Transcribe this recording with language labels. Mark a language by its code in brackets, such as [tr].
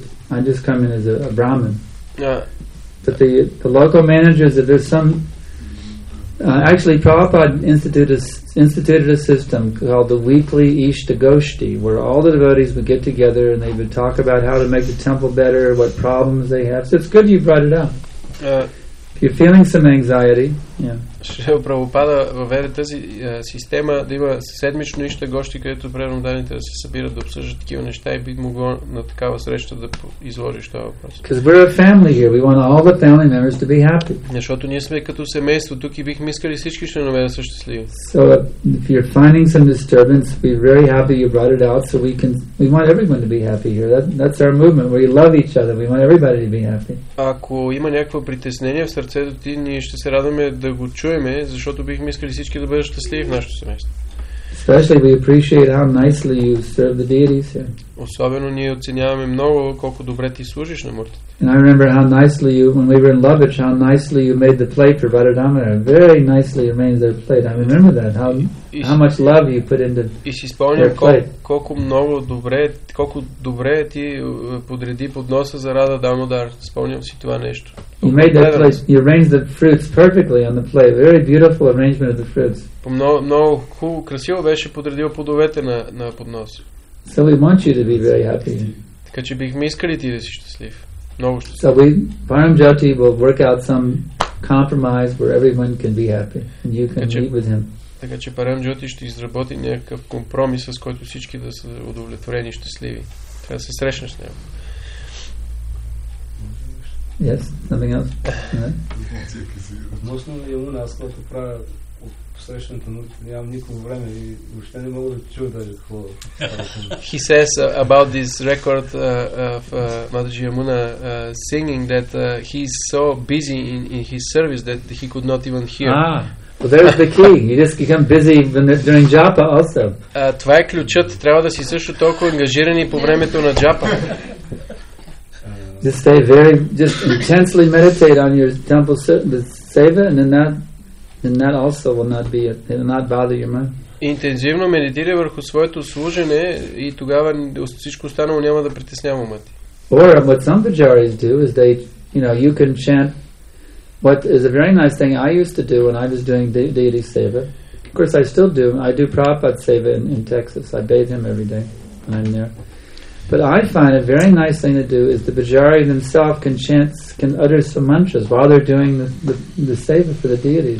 [en] I just come in as a Brahmin. But the local managers, if there's some, actually Prabhupada instituted a system called the weekly Ishta Goshti, where all the devotees would get together and they would talk about how to make the temple better, what problems they have. So it's good you brought it up. You're feeling some anxiety. [bg] Ще Прабхупада въведе тази система да има седмично нища гости, където примерно даните да се събират да обсъждат такива неща и би могло на такава среща да изложиш това въпрос. [en] Because we're a family here. We want all the family members to be happy. [bg] Защото ние сме като семейство тук и бихме искали всички членове да са щастливи. [en] So if you're finding some disturbance, be very happy you brought it out, so we want everyone to be happy here. That's our movement. We love each other. We want everybody to be happy. [bg] Ако има някакво притеснение в сърцето ти, ние ще се радваме да го чуеме, защото бихме искали всички да бъдат щастливи в нашето семейство. [en] Especially we appreciate how nicely you serve the deities here. [bg] Особено ние оценяваме много колко добре ти служиш на муртите. [en] And I remember how nicely you, when we were in Lubbock, how nicely you made the plate for Bharadamana. Very nicely you made their plate. I remember that. How much love you put into their plate. [bg] И си спомням колко много добре, колко добре ти подреди подноса за Рада Дамодар. Спомням си това нещо. [en] You made that place, you arranged the fruits perfectly on the plate. Very beautiful arrangement of the fruits. [bg] Много хубаво, красиво беше подредил плодовете на поднос. [en] So we want you to be very happy. [bg] Така че бихме искали ти да си щастлив. Много щастлив. [en] So we, Param Jyoti will work out some compromise where everyone can be happy and you can meet with him. [bg] Така че Param Jyoti ще изработи някакъв компромис, с който всички да са удовлетворени и щастливи. Трябва да се срещнеш с него. [en] Yes, nothing else? [bg] Относно Ямуна, аз който правя от посрещната нутка, нямам никакво време и въобще не мога да чуя даже какво. [en] He says about this record of Madhaji Ямуна singing that he's so busy in his service that he could not even hear. Well, there's the key. You just become busy during japa also. [bg] Това е ключът. Трябва да си също толкова ангажирани по времето на джапа. [en] Just stay very, just intensely meditate on your temple seva, and then that also will not bother your mind. [bg] интензивно медитира върху своето служене и тогава всичко останало няма да притеснява ума ти. [en] Or what some pujaris do is they, you know, you can chant. What is a very nice thing I used to do when I was doing deity seva. Of course, I still do. I do Prabhupada seva in Texas. I bathe him every day when I'm there. But I find a very nice thing to do is the pujari themselves can chant, can utter some mantras while they're doing the seva for the deity.